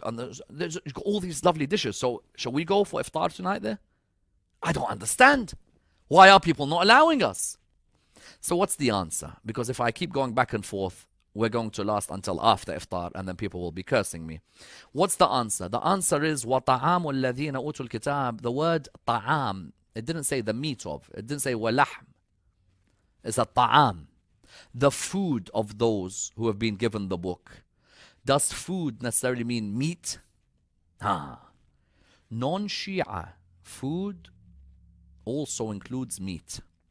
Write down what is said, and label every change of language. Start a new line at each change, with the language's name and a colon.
English: And there's all these lovely dishes. So shall we go for iftar tonight there? I don't understand. Why are people not allowing us? So what's the answer? Because if I keep going back and forth, we're going to last until after iftar, and then people will be cursing me. What's the answer? The answer is,
Arabic: وَطَعَامُ الَّذِينَ أُوتُوا الْكِتَابِ.
English: The word ta'am, it didn't say the meat of. It didn't say وَلَحْم. It's a ta'am. The food of those who have been given the book. Does food necessarily mean meat? Ah. Non-Shia, food also includes meat.